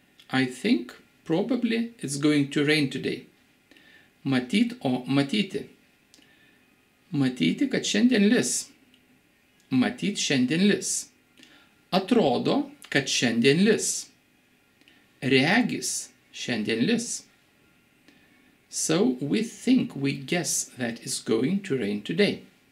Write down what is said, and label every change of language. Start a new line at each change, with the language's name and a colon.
English: I think probably it's going to rain today.
Lithuanian: Matyt, o matyti. Matyti, kad šiandien lis. Matyt šiandien lis. Atrodo, kad šiandien lis. Regis šiandien lis.
English: So we think, we guess that it's going to rain today.